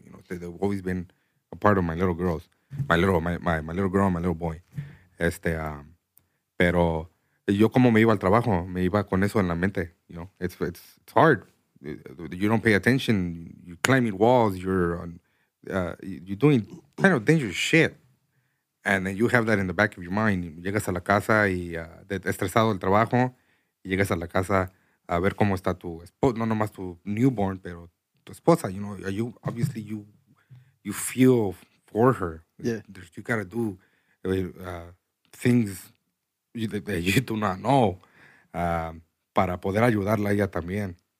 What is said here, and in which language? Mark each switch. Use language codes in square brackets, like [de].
[en] You know, they've always been a part of my little girls, my little boy. [es] Pero yo como me iba al trabajo, me iba con eso en la mente. [en] You know, it's hard. You don't pay attention. You're climbing walls. You're doing kind of dangerous shit. And then you have that in the back of your mind. [es] Llegas a la casa y estresado del trabajo, y llegas a la casa. A ver cómo está tu esposa, no nomás tu newborn, pero tu esposa, [en] you know, you obviously you feel for her. Yeah. You gotta do things that you do not know [es] para poder ayudarla a ella también.